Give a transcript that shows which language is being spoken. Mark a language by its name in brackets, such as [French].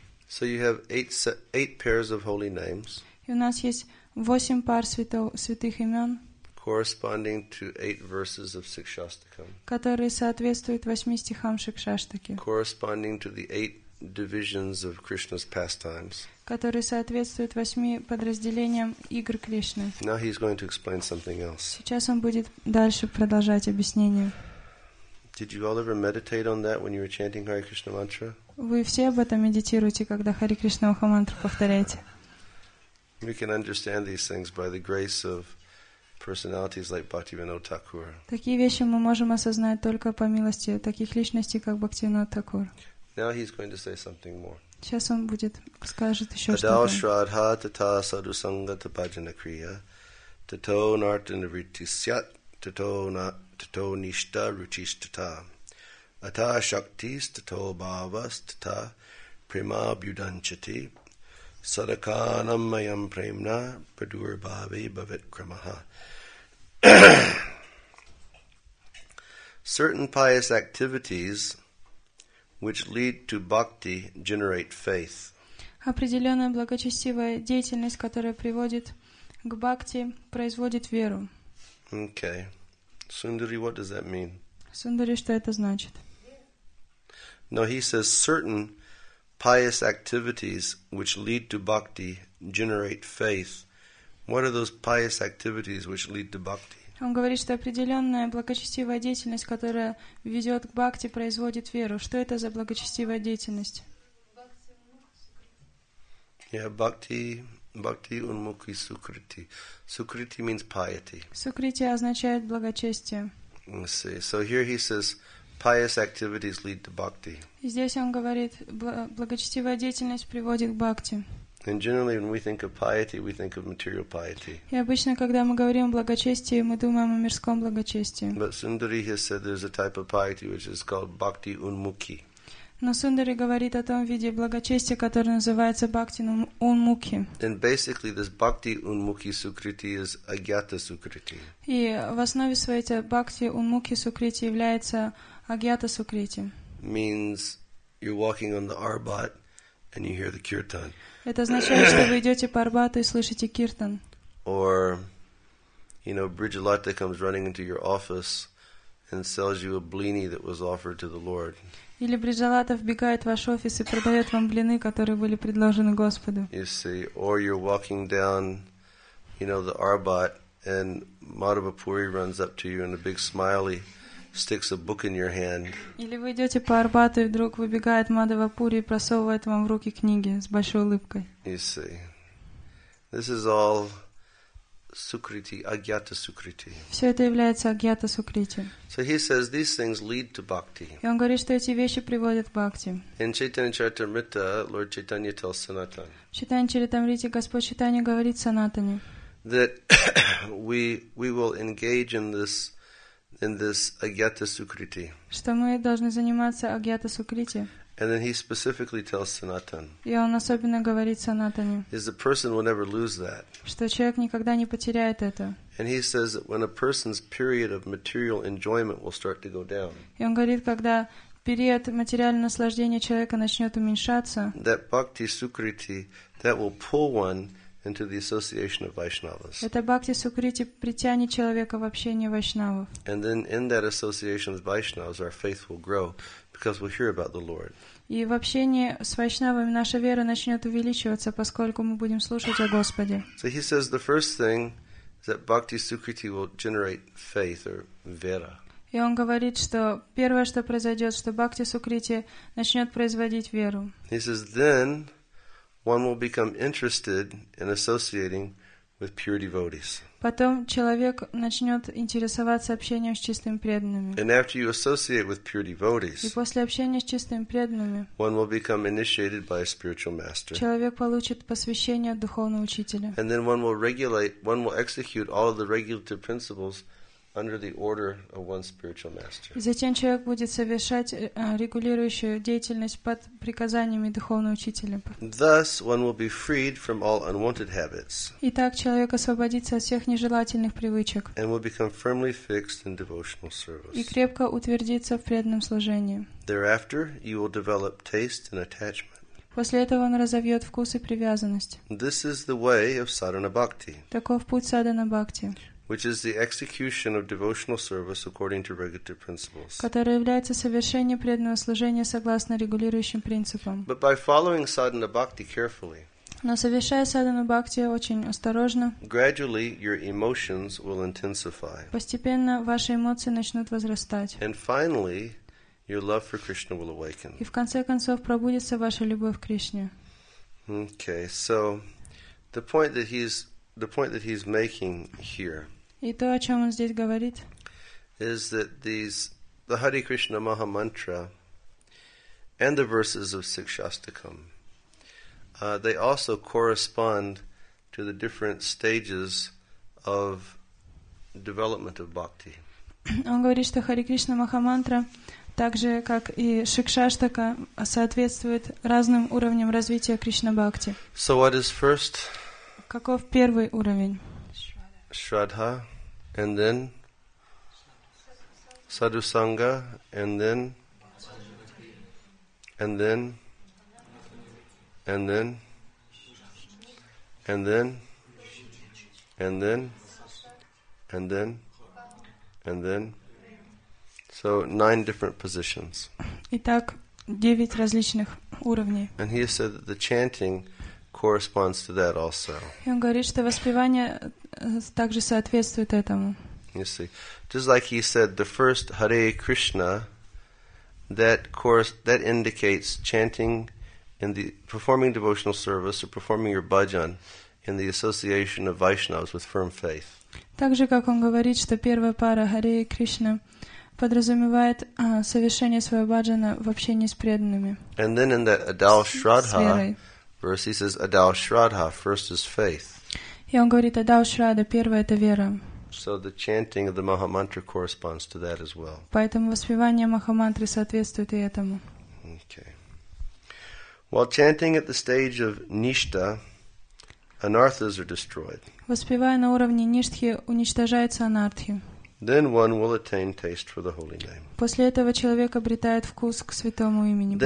[English] So you have eight pairs of holy names. [Russian] И у нас есть восемь пар святых имен. [English] Corresponding to eight verses of Sikshastakam. [Russian] Которые соответствуют восьми стихам Шикшаштаки. [English] Corresponding to the eight divisions of Krishna's pastimes. [Russian] Который соответствует восьми подразделениям игр Кришны. [English] Now he's going to explain something else. [Russian] Сейчас он будет дальше продолжать объяснение. [English] Did you all ever meditate on that when you were chanting Hare Krishna mantra? [Russian] Вы все об этом медитируете, когда Хари Кришна Маха мантру повторяете? [English] We can understand these things by the grace of personalities like Bhaktivinoda Thakur. [Russian] Такие вещи мы можем осознать только по милости таких личностей, как Бхактивинода Такур. [English] Now he's going to say something more. [Russian] Сейчас он будет скажет еще что-то. [Sanskrit] Адал Шрадха Тата Саду Санга Тападжана Крия Тато Нартан Ритти Сят Тато На Тато Ништа Ручиш Тата Ата Шактис Тато Бхавас Тата Према Бьюданчати Садаканам Майам Премна Прадур Бхави Бхавит Крамаха. [English] Certain pious activities which lead to bhakti generate faith. [Russian] Определенная благочестивая деятельность, которая приводит к бхакти, производит веру. [English] Okay. Sundari, what does that mean? [Russian] Sundari, что это значит? [English] No, he says certain pious activities which lead to bhakti generate faith. What are those pious activities which lead to bhakti? [Russian] Он говорит, что определенная благочестивая деятельность, которая ведет к бхакти, производит веру. Что это за благочестивая деятельность? [English] Yeah, bhakti unmukhi sukriti. Sukriti means piety. [Russian] Sukriti означает благочестие. [English] Let's see. So here he says, pious activities lead to bhakti. [Russian] Здесь он говорит, благочестивая деятельность приводит к бхакти. [English] And generally, when we think of piety, we think of material piety. [Russian] И обычно, когда мы говорим о благочестии, мы думаем о мирском благочестии. [English] But Sundari has said there's a type of piety which is called bhakti unmukhi. [Russian] Но Сундари говорит о том виде благочестия, которое называется бхакти унмукхи. [English] And basically, this bhakti unmukhi sukriti is agyata sukriti. [Russian] И в основе своей это бхакти унмукхи сукрити является агьята сукрити. [English] Means you're walking on the Arbat and you hear the kirtan. [Russian] Это означает, что вы идете по Арбату и слышите киртан. [English] Or, you know, Бриджалата comes running into your office and sells you a blini that was offered to the Lord. [Russian] Или Бриджалата вбегает в ваш офис и продает вам блины, которые были предложены Господу. [English] You see, or you're walking down, you know, the Arbat, and Madhava Puri runs up to you in a big smiley. Sticks a book in your hand. [Russian] Или вы идете по Арбату, и вдруг выбегает Мадхава Пури и просовывает вам в руки книги с большой улыбкой. [English] You see, this is all sukriti, agyata sukriti. [Russian] Все это является агьята сукрити. [English] So he says these things lead to bhakti. [Russian] И он говорит, что эти вещи приводят к бхакти. [English] In Chaitanya Charitamrita, Lord Chaitanya tells Sanatan. [Russian] В Чайтанья Чаритамрите Господь Чайтанья говорит Санатане. [English] That we will engage in this. In this agyata sukriti. [Russian] Что мы должны заниматься агьята сукрити? [English] And then he specifically tells Sanatan. [Russian] И он особенно говорит Санатане. [English] Is the person will never lose that? [Russian] Что человек никогда не потеряет это? [English] And he says that when a person's period of material enjoyment will start to go down. [Russian] И он говорит, когда период материального наслаждения человека начнет уменьшаться. [English] That bhakti sukriti that will pull one into the association of Vaishnavas. [Russian] Это бхакти сукрити притянет человека в общение вайшнавов. [English] And then in that association with Vaishnavas, our faith will grow because we'll hear about the Lord. [Russian] И в общении с вайшнавами наша вера начнет увеличиваться, поскольку мы будем слушать о Господе. [English] So he says the first thing is that bhakti sukriti will generate faith or vera. [Russian] И он говорит, что первое, что произойдет, что бхакти сукрити начнет производить веру. [English] He says then one will become interested in associating with pure devotees. [Russian] Потом человек начнет интересоваться общением с чистыми преданными. [English] And after you associate with pure devotees, [Russian] и после общения с чистыми преданными, [English] one will become initiated by a spiritual master. [Russian] Человек получит посвящение от духовного учителя. [English] And then one will execute all of the regulative principles under the order of one spiritual master. [Russian] Затем человек будет совершать регулирующую деятельность под приказаниями духовного учителя. [English] Thus, one will be freed from all unwanted habits. [Russian] И так человек освободится от всех нежелательных привычек. [English] And will become firmly fixed in devotional service. [Russian] И крепко утвердится в преданном служении. [English] Thereafter, you will develop taste and attachment. [Russian] После этого он разовьет вкус и привязанность. [English] This is the way of sadhana bhakti. [Russian] Таков путь садхана бхакти. [English] which is the execution of devotional service according to regulative principles. [Russian] Которое является совершение преданного служения согласно регулирующим принципам. [English] But by following sadhana bhakti carefully, [Russian] но совершая садхану бхакти очень осторожно, [English] gradually your emotions will intensify. [Russian] Постепенно ваши эмоции начнут возрастать. [English] And finally, your love for Krishna will awaken. [Russian] И в конце концов пробудится ваша любовь к Кришне. [English] Okay, so the point that he's making here. [Russian] И то, о чем он здесь говорит, [English] is that the Hare Krishna Maha Mantra and the verses of Sikshastakam, they also correspond to the different stages of development of bhakti. [Russian] Он говорит, что Hare Krishna Maha Mantra, так же, как и Шикшаштака, соответствует разным уровням развития Кришна-бхакти. [English] So what is first? [Russian] Каков первый уровень? [English] Shraddha, and then Sadhusanga, and then. So nine different positions. [Russian] Итак, девять различных уровней. [English] And he said that the chanting corresponds to that also. [Russian] И он говорит, что воспевание также соответствует этому. [English] You see, just like he said, the first Hare Krishna, that indicates chanting in the performing devotional service or performing your bhajan in the association of Vaishnavas with firm faith. [Russian] Также, как он говорит, что первая пара Hare Krishna подразумевает совершение своего баджана в общении с преданными. [English] And then in that Adal Shraddha verse, he says, Adal Shraddha, first is faith. [Russian] И он говорит, Адал Шрадха, первое это вера. [English] So the chanting of the Maha Mantra corresponds to that as well. [Russian] Поэтому воспевание Маха Мантры соответствует и этому. [English] Okay. While chanting at the stage of Nishta, anarthas are destroyed. [Russian] Воспевая на уровне Ништхи, уничтожаются анартхи. [English] Then one will attain taste for the holy name. [Russian] После этого человек обретает вкус к святому имени Бога.